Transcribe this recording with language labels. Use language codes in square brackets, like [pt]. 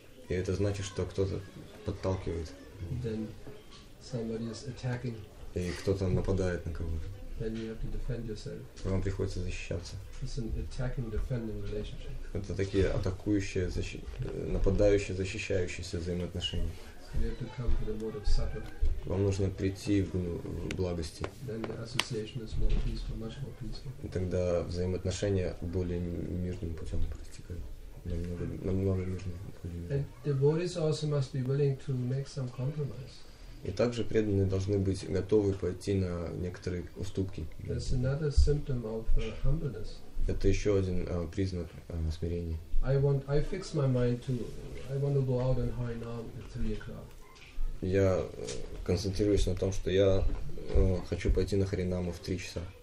[ru] И это значит, что кто-то подталкивает. [en] Then somebody is attacking. [ru] И кто-то нападает на кого-то. [en] Then you have to defend yourself. [ru] Вам приходится защищаться. [en] It's an attacking, defending relationship. [ru] Это такие атакующие, нападающие, защищающиеся взаимоотношения. [en] So you have to come to the mode of sattva. [ru] Вам нужно прийти в благости. [en] Then the association is more peaceful, much more peaceful. [ru] И тогда взаимоотношения более мирным путем протекают. Намного мирнее. [en] And devotees also must be willing to make some compromise. [ru] И также преданные должны быть готовы пойти на некоторые уступки. [en] That's another symptom of humbleness. [ru] Это еще один признак смирения. [en] I fix my mind to, I want to go out and hurry now at 3 o'clock. [ru] Я концентрируюсь на том, что я хочу пойти на Харинаму в 3 часа.